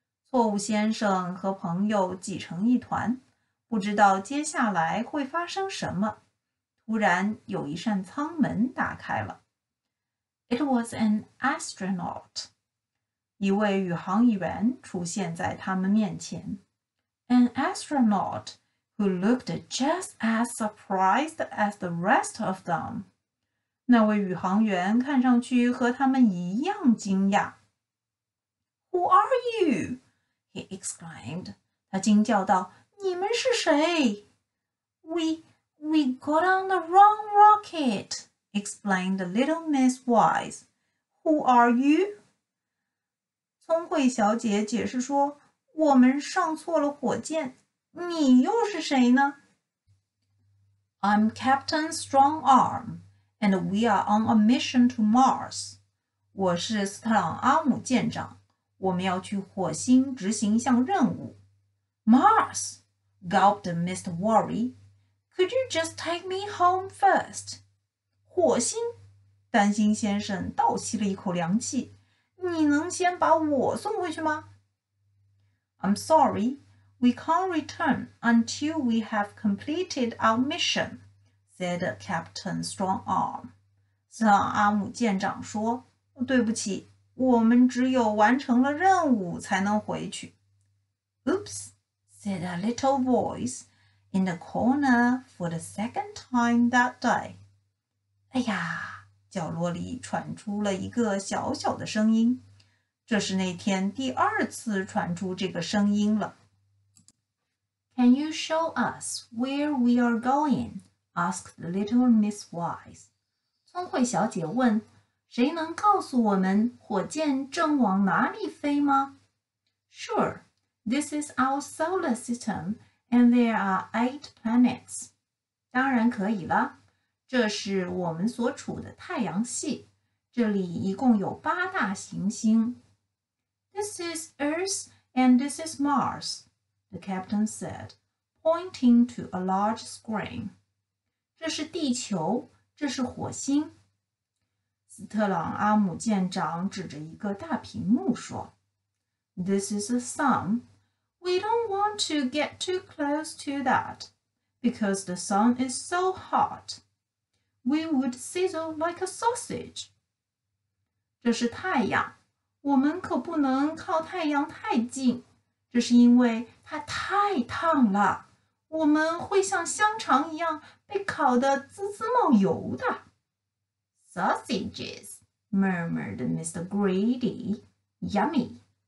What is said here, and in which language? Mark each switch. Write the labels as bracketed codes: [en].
[zh] 错误先生和朋友挤成一团，不知道接下来会发生什么。突然有一扇舱门打开了。 [en] It was an astronaut. [zh] 一位宇航员出现在他们面前。 [en] An astronaut who looked just as surprised as the rest of them. [zh] 那位宇航员看上去和他们一样惊讶。 [en] Who are you? He exclaimed. [zh] 他惊叫道，你们是谁？ [en] We got on the wrong rocket. Explained Little Miss Wise. Who are you? [zh] 聪慧小姐解释说，我们上错了火箭。你又是谁呢？ [en] I'm Captain Strongarm, and we are on a mission to Mars. [zh] 我是斯特朗阿姆舰长，我们要去火星执行一项任务。 [en] Mars, gulped Mr. Worry. Could you just take me home first? [zh] 火星，担心先生倒吸了一口凉气。你能先把我送回去吗？ [en] I'm sorry, we can't return until we have completed our mission, said Captain Strongarm. [zh] 斯朗阿姆舰长说，对不起，我们只有完成了任务才能回去。 [en] Oops, said a little voice in the corner for the second time that day. [zh] 哎呀，角落里传出了一个小小的声音。这是那天第二次传出这个声音了。 [en] Can you show us where we are going? Asked Little Miss Wise. [zh] 聪慧小姐问，谁能告诉我们火箭正往哪里飞吗？ [en] Sure, this is our solar system, and there are 8 planets. [zh] 当然可以了。这是我们所处的太阳系，这里一共有八大行星。 [en] This is Earth and this is Mars, the captain said, pointing to a large screen. [zh] 这是地球，这是火星。斯特朗阿姆舰长指着一个大屏幕说 [en] This is the sun. We don't want to get too close to that, because the sun is so hot. We would sizzle like a sausage. [zh] 这是太阳，我们可不能靠太阳太近，这是因为它太烫了，我们会像香肠一样被烤得滋滋冒油的。 [en] Sausages, murmured Mr. Greedy. Yummy.